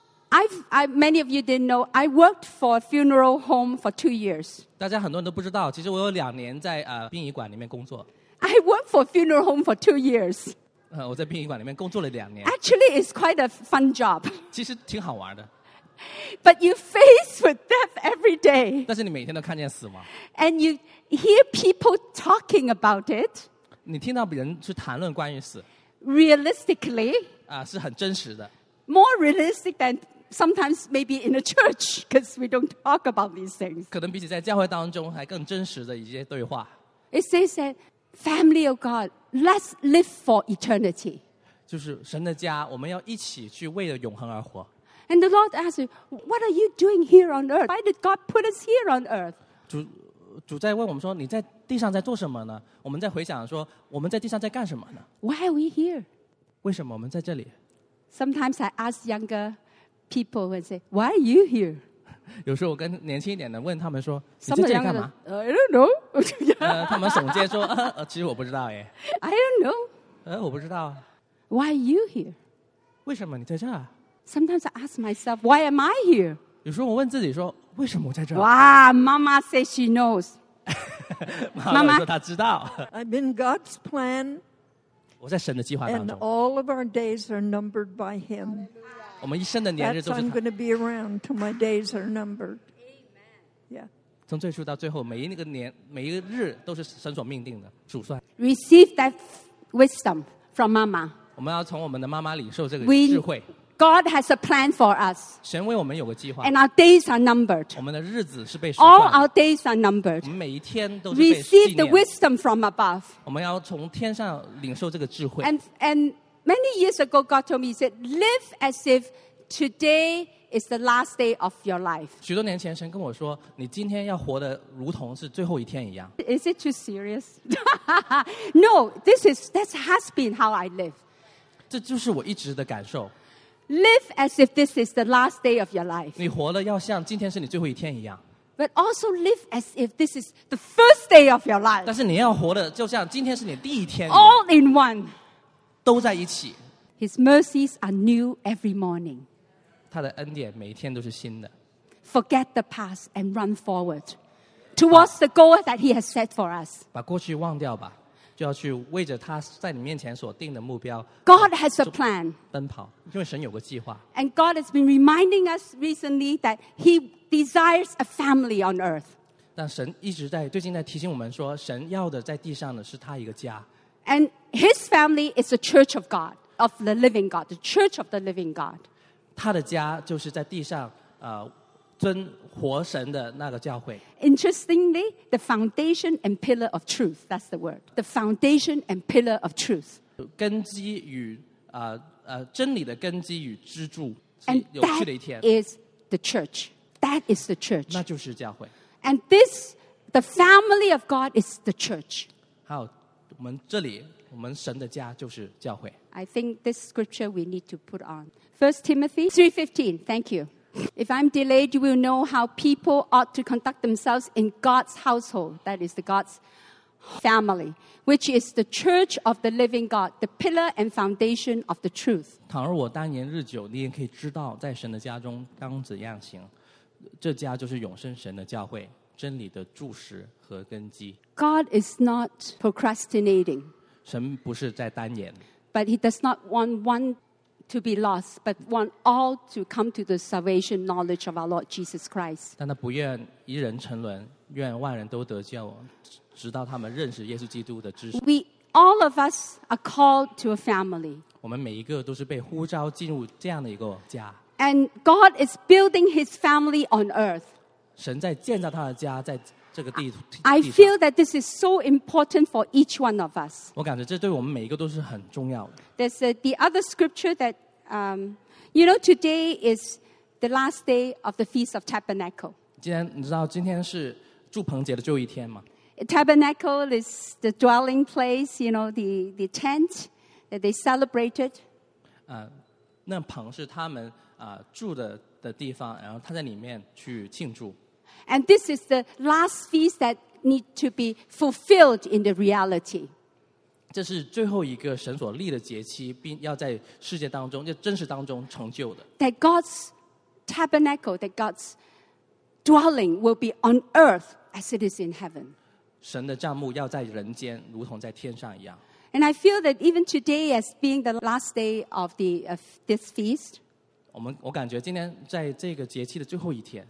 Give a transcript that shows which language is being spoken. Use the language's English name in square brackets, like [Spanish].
[English] Many of you didn't know, I worked for a funeral home for 2 years. [Chinese] 大家很多人都不知道, 其实我有两年在, 殡仪馆里面工作。 [English] I worked for a funeral home for 2 years. [Chinese] 我在殡仪馆里面工作了两年。 [English] Actually, it's quite a fun job. [Chinese] 其实挺好玩的。 [English] But you face with death every day. [Chinese] 但是你每天都看见死亡。 [English] And you hear people talking about it. [Chinese] 你听到别人去谈论关于死。 [English] Realistically. [Chinese] 是很真实的。 [English] More realistic than sometimes maybe in a church because we don't talk about these things. [Chinese] 可能比起在教会当中还更真实的一些对话。 [English] It says that, family of God, let's live for eternity. [Chinese] 就是神的家, 我们要一起去为了永恒而活。 [English] And the Lord asks you, what are you doing here on earth? Why did God put us here on earth? [Chinese] 主在问我们说, 你在地上在做什么呢?我们在回想说, 我们在地上在干什么呢? [English] Why are we here? [Chinese] 为什么我们在这里? [English] Sometimes I ask younger people and say, why are you here? [Chinese] 有时候我跟年轻一点的问他们说, 你在这里干嘛? [English] I don't know. [Chinese] 他们耸肩说, 其实我不知道耶。 [English] I don't know. [Chinese] 我不知道。 [English] Why are you here? [Chinese] 为什么你在这? [English] Sometimes I ask myself, why am I here? [Chinese] 有时候我问自己说, 为什么我在这? [English] Wow, Mama says she knows. [Chinese] 妈妈说她知道。 [English] I'm in God's plan. [Chinese] 我在神的计划当中。 [English] And all of our days are numbered by Him. [Chinese] 我们一生的年日都是他。 [English] That's I'm going to be around till my days are numbered. Amen. Yeah. [Chinese] 从最初到最后, 每一个年, 每一个日都是神所命定的, 主算。 [English] Receive that wisdom from Mama. [Chinese] 我们要从我们的妈妈领受这个智慧。 [English] God has a plan for us. [Chinese] 神为我们有个计划。 [English] And our days are numbered. [Chinese] 我们的日子是被数算。 [English] All our days are numbered. [Chinese] 我们每一天都是被纪念。 [English] Receive the wisdom from above. [Chinese] 我们要从天上领受这个智慧。 [English] And many years ago, God told me, He said, live as if today is the last day of your life. [Chinese] 许多年前, 神跟我说, 你今天要活得如同是最后一天一样。 [English] Is it too serious? No, this has been how I live. [Chinese] 这就是我一直的感受。 [English] Live as if this is the last day of your life. [Chinese] 你活得要像今天是你最后一天一样。 [English] But also live as if this is the first day of your life. [Chinese] 但是你要活得就像今天是你第一天一样。 [English] All in one. [Chinese] 都在一起。 [English] His mercies are new every morning. [Chinese] 他的恩典每一天都是新的。 [English] Forget the past and run forward towards the goal that He has set for us. [Chinese] 把过去忘掉吧。就要去为着他在你面前所定的目标, [English] God has a plan. [Chinese] 奔跑, 因为神有个计划。 [English] And God has been reminding us recently that He desires a family on earth. [Chinese] 但神一直在, 最近在提醒我们说, 神要的在地上的是他一个家。 [English] And His family is the church of God, of the living God, the church of the living God. [Chinese] 他的家就是在地上, 尊活神的那个教会。 [English] Interestingly, the foundation and pillar of truth, that's the word. The foundation and pillar of truth. [Chinese] 根基与真理的根基与支柱。 [English] And that is the church. That is the church. [Chinese] 那就是教会。 [English] And this, the family of God is the church. [Chinese] 好，我们这里，我们神的家就是教会。 [English] I think this scripture we need to put on. 1 Timothy 3:15, thank you. If I'm delayed, you will know how people ought to conduct themselves in God's household. That is the God's family, which is the church of the living God, the pillar and foundation of the truth. [Chinese] 倘若我单言日久，你也可以知道在神的家中当怎样行。这家就是永生神的教会，真理的柱石和根基。 [English] God is not procrastinating. [Chinese] 神不是在单言。 [English] But he does not want one to be lost, but want all to come to the salvation knowledge of our Lord Jesus Christ. [Chinese] 但他不愿一人沉沦，愿万人都得救，直到他们认识耶稣基督的知识。 [English] We all of us are called to a family. [Chinese] 我们每一个都是被呼召进入这样的一个家。 [English] And God is building His family on earth. [Chinese] 神在建造他的家，在这个地。 [English] I feel that this is so important for each one of us. [Chinese] 我感觉这对我们每一个都是很重要的。 [English] There's the other scripture that, you know, today is the last day of the Feast of Tabernacle. [Chinese] 今天你知道今天是祝棚节的最后一天吗？ [English] Tabernacle is the dwelling place, you know, the tent that they celebrated. [Chinese] 那棚是他们住的地方，然后他在里面去庆祝。 [English] And this is the last feast that need to be fulfilled in the reality. [Chinese] 这是最后一个神所立的节期，并要在世界当中，就真实当中成就的。 [English] That God's tabernacle, that God's dwelling will be on earth as it is in heaven. [Chinese] 神的帐幕要在人间，如同在天上一样。 [English] And I feel that even today as being the last day of this feast, [Chinese] 我感觉今天在这个节气的最后一天，